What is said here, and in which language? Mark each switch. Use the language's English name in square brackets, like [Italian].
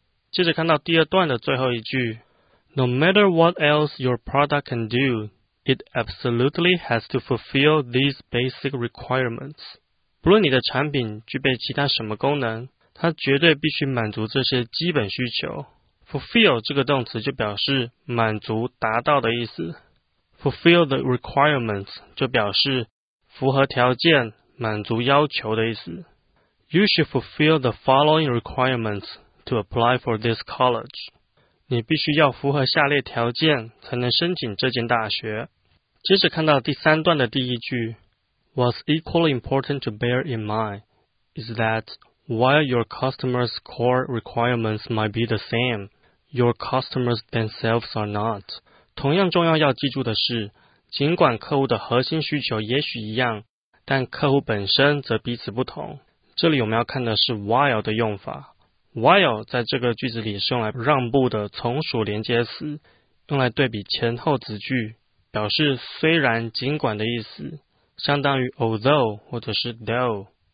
[Chinese] 接着看到第二段的最后一句 [English] No matter what else your product can do, it absolutely has to fulfill these basic requirements. [Chinese] 不论你的产品具备其他什么功能，它绝对必须满足这些基本需求。 Fulfill 这个动词就表示满足、达到的意思。 [English] Fulfill the requirements [Chinese] 就表示符合条件。满足要求的意思。 [English] You should fulfill the following requirements to apply for this college. [Chinese] 你必须要符合下列条件才能申请这间大学。接着看到第三段的第一句 [English] What's equally important to bear in mind is that while your customers' core requirements might be the same, your customers themselves are not. [Chinese] 同样重要要记住的是，尽管客户的核心需求也许一样，但客户本身则彼此不同。这里我们要看的是 while 的用法。while 在这个句子里是用来让步的从属连接词，用来对比前后子句，表示虽然尽管的意思，相当于 although 或者是 though。